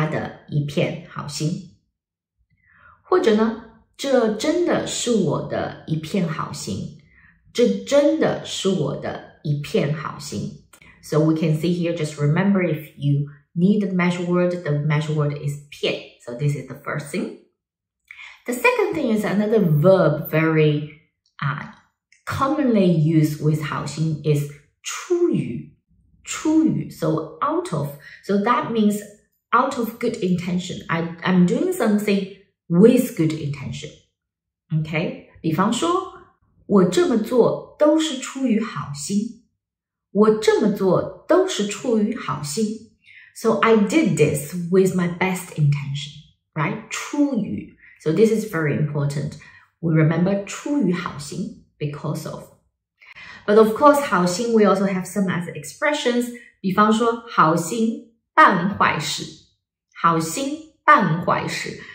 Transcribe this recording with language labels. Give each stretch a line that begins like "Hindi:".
Chinese: 不要辜负了他的一片好心。或者呢, 这真的是我的一片好心。这真的是我的一片好心。
English: So we can see here, just remember if you need the measure word is 片. So this is the first thing. The second thing is another verb very commonly used with 好心 is 出于, so out of, so that means out of good intention. I'm doing something with good intention.
Chinese: Okay, 比方说,我这么做都是出于好心。我这么做都是出于好心.
English: So I did this with my best intention, right? 出于, so this is very important. We remember 出于好心. because of. But of course, 好心 we also have some other expressions.
Chinese: 比方说好心办坏事。好心办坏事。